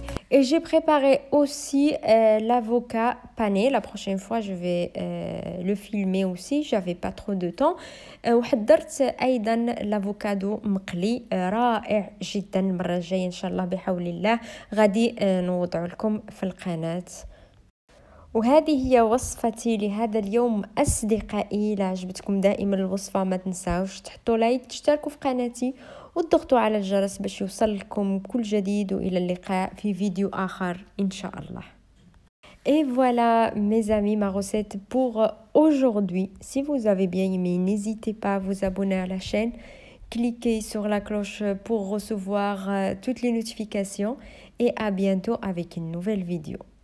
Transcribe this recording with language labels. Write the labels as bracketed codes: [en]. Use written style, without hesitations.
[fr] Et j'ai préparé aussi l'avocat pané. La prochaine fois, je vais le filmer aussi. J'avais pas trop de temps. [ar] وحضرت ايضا l'avocado مقلي رائع جدا. المره الجايه ان شاء الله بحول الله غادي نوضع لكم في القناه. وهذه هي وصفتي لهذا اليوم اصدقائي. إذا عجبتكم دائما الوصفه ما تنساوش تحطوا لايك، تشتركوا في قناتي وتضغطوا على الجرس باش يوصلكم كل جديد. وإلى اللقاء في فيديو آخر إن شاء الله. [fr] Et voilà mes amis, ma recette pour aujourd'hui. Si vous avez bien aimé, n'hésitez pas à vous abonner à la chaîne. Cliquez sur la cloche pour recevoir toutes les notifications. Et à bientôt avec une nouvelle vidéo.